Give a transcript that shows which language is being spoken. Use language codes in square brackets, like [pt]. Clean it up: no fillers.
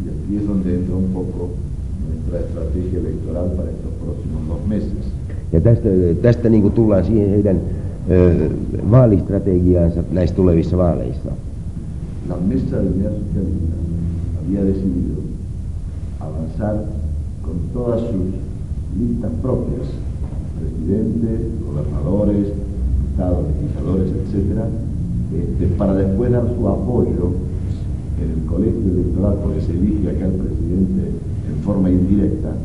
[es] Ja es donde entra un poco nuestra estrategia electoral para estos próximos dos meses. [fi] Ja tästä niin kuin tullaan siihen heidän vaalistrategiaansa näissä tulevissa vaaleissa. [es] La mesa de la socialista había decidido avanzar con todas sus listas propias, presidente, gobernadores, estados, legisladores, etc., para después dar su apoyo en el colegio electoral, porque se elige acá el presidente en forma indirecta,